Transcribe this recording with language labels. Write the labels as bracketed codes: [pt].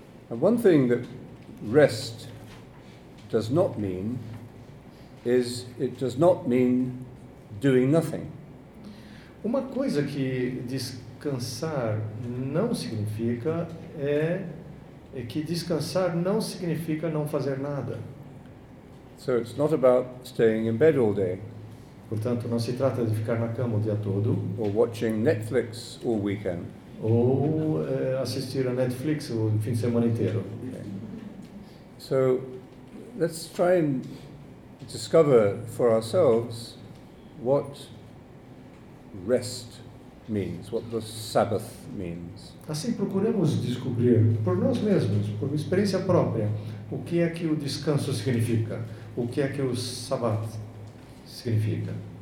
[en] And one thing that rest does not mean is it does not mean doing nothing. [pt] Uma coisa que descansar não significa é que descansar não significa não fazer nada. [en] So it's not about staying in bed all day. [pt] Portanto, não se trata de ficar na cama o dia todo. [en] Or watching Netflix all weekend. [pt] Ou assistir a Netflix o fim de semana inteiro. [en] So, let's try and discover for ourselves what rest means, what the Sabbath means. [pt] Assim, procuremos descobrir por nós mesmos, por uma experiência própria, o que é que o descanso significa, o que é que o Sabbath significa.